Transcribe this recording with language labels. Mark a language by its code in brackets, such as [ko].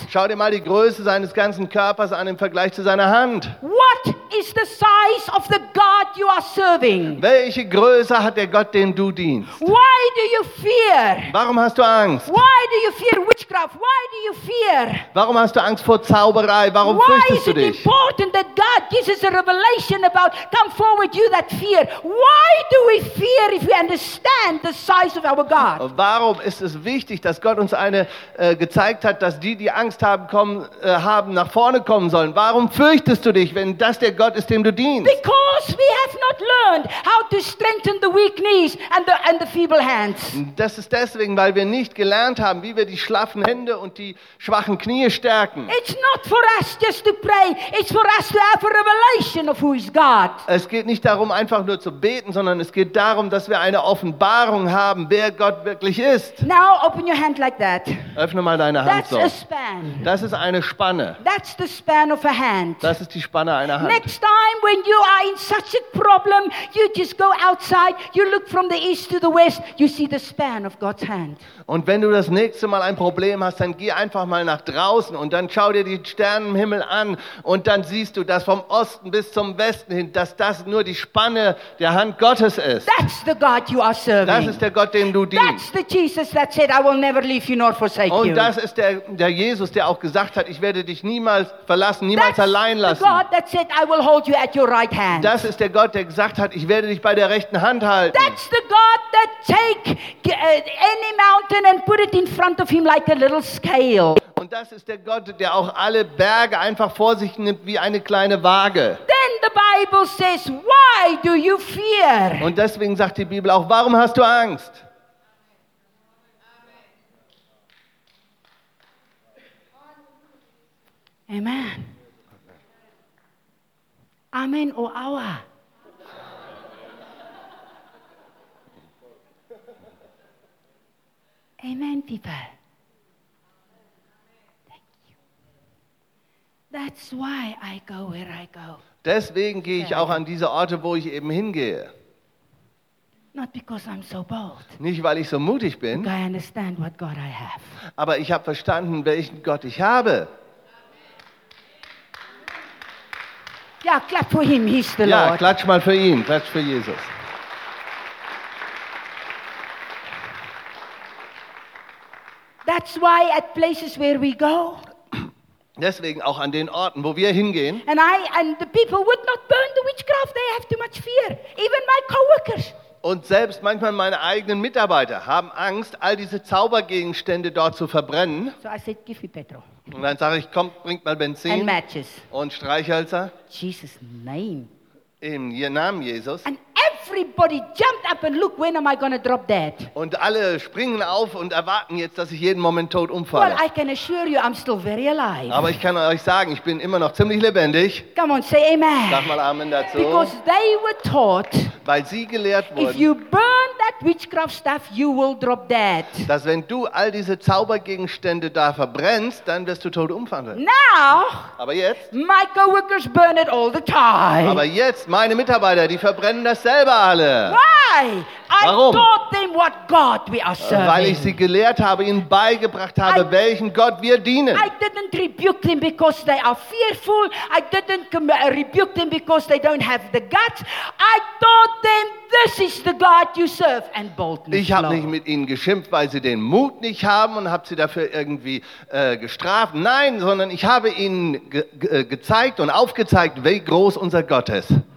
[de] Schau dir mal die Größe seines ganzen Körpers an im Vergleich zu seiner Hand. [en] What is the size of the God you are serving? [de] Welche Größe hat der Gott, den du dienst? [en] Why do you fear? [de] Warum hast du Angst? [en] Why do you fear witchcraft? Why do you fear? [de] Warum hast du Angst vor Zauberei? Warum fürchtest du dich? [en] Why is it important that God gives us a revelation about come forward you that fear? Why do we fear if we understand the size of our God? [de] Warum ist es wichtig, dass Gott uns eine gezeigt hat, dass die Angst haben haben nach vorne kommen sollen? Warum fürchtest du dich, wenn das der Gott ist, dem du dienst? [en] Because we have not learned how to strengthen the weak knees and the feeble hands. [de] Das ist deswegen, weil wir nicht gelernt haben, wie wir die schlaffen Hände und die schwachen Knie stärken. [en] It's not for us just to pray. It's for us to have a revelation of who is God. [de] Es geht nicht darum, einfach nur zu beten, sondern es geht darum, dass wir eine Offenbarung haben, wer Gott wirklich ist. [en] Now open your hand like that. [de] Öffne mal deine [en] That's [de] Hand so. [en] A span. [de] Das ist eine Spanne. [en] That's the span of a hand. [de] Das ist die Spanne einer Hand. [en] Next time when you are in such a problem, you just go outside, you look from the east to the west, you see the span of God's hand. [de] Und wenn du das nächste Mal ein Problem hast, dann geh einfach mal nach draußen und dann schau dir die Sterne im Himmel an und dann siehst du, dass vom Osten bis zum Westen hin, dass das nur die Spanne der Hand Gottes ist. [en] That's the God you are serving. [de] Das ist der Gott, dem du dienst. [en] That's the Jesus that said, I will never leave you nor forsake you. [de] Und das ist der Jesus, der auch gesagt hat, ich werde dich niemals verlassen, niemals allein lassen. [en] That's the God that said, I will hold you at your right hand. [de] Das ist der Gott, der gesagt hat, ich werde dich bei der rechten Hand halten. [en] That's the God that take any mountain and put it in front of him like a little scale. [de] Und das ist der Gott, der auch alle Berge einfach vor sich nimmt wie eine kleine Waage. [en] Then the Bible says, why do you fear? [de] Und deswegen sagt die Bibel auch, warum hast du Angst? Amen. Amen, o Aua. [en] Amen, people. That's why I go where I go. [de] Deswegen gehe ich auch an diese Orte, wo ich eben hingehe. [en] Not because I'm so bold. [de] Nicht, weil ich so mutig bin. [en] But I understand what God I have. [de] Aber ich habe verstanden, welchen Gott ich habe. [en] Ja, clap for him, he's the Lord. [de] Ja, klatsch mal für ihn, klatsch für Jesus. [en] That's why at places where we go. [de] Deswegen auch an den Orten, wo wir hingehen. [en] And I and the people would not burn the witchcraft. They have too much fear. Even my coworkers. [de] Und selbst manchmal meine eigenen Mitarbeiter haben Angst, all diese Zaubergegenstände dort zu verbrennen. [en] So I said, give me petrol. [de] Und dann sage ich, komm, bringt mal Benzin. [en] And matches. [de] Und Streichhölzer. [en] Jesus name. [de] Im Namen Jesus. [en] And everybody jumped up and look, when am I going to drop that? [de] Und alle springen auf und erwarten jetzt, dass ich jeden Moment tot umfalle. [en] Well, I can assure you, I'm still very alive. [de] Aber ich kann euch sagen, ich bin immer noch ziemlich lebendig. [en] Come on, say amen. [de] Sag mal Amen dazu. [en] Because they were taught. [de] Weil sie gelehrt wurden. [en] If you burn that witchcraft stuff, you will drop dead. [de] Dass wenn du all diese Zaubergegenstände da verbrennst, dann wirst du tot umfallen. [en] Now. [de] Aber jetzt. [en] My coworkers burn it all the time. [de] Aber jetzt meine Mitarbeiter, die verbrennen das selber alle. [en] Why? [de] Warum? [en] I taught them what God we are serving. [de] Weil ich sie gelehrt habe, ihnen beigebracht habe, welchen Gott wir dienen. [en] I didn't rebuke them because they are fearful. I didn't rebuke them because they don't have the guts. I taught them this is the God you serve and boldness. [de] Ich habe nicht mit ihnen geschimpft, weil sie den Mut nicht haben und habe sie dafür irgendwie gestraft. Nein, sondern ich habe ihnen gezeigt und aufgezeigt, wie groß unser Gott ist.